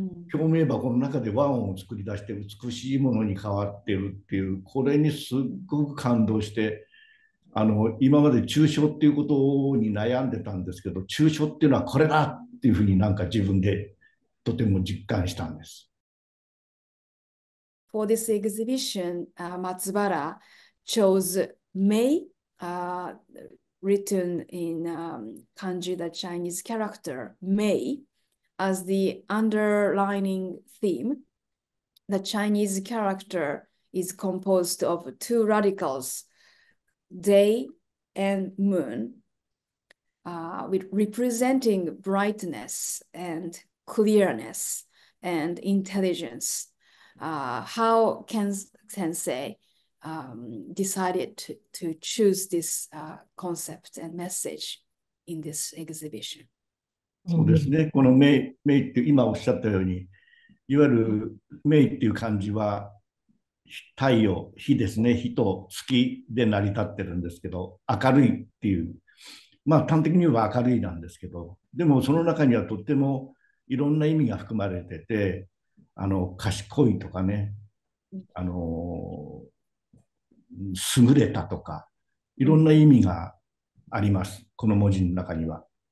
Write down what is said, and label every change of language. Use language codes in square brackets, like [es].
[ja] 共鳴箱の中で和音を作り出して美しいものに変わってるっていう、これにすっごく感動して、今まで抽象っていうことに悩んでたんですけど、抽象っていうのはこれだっていうふうになんか自分でとても実感したんです。 [en] For this exhibition, Matsubara chose Mei, written in kanji, the Chinese character, Mei, as the underlining theme. The Chinese character is composed of two radicals, day and moon, with representing brightness and clearness and intelligence. How can sensei decided to choose this concept and message in this exhibition? [ja] そうですね。このメイ、メイって今おっしゃったように、いわゆるメイっていう漢字は太陽、火ですね、火と月で成り立ってるんですけど、明るいっていう、まあ端的に言えば明るいなんですけど、でもその中にはとってもいろんな意味が含まれてて、賢いとかね、優れたとか、いろんな意味があります、この文字の中には。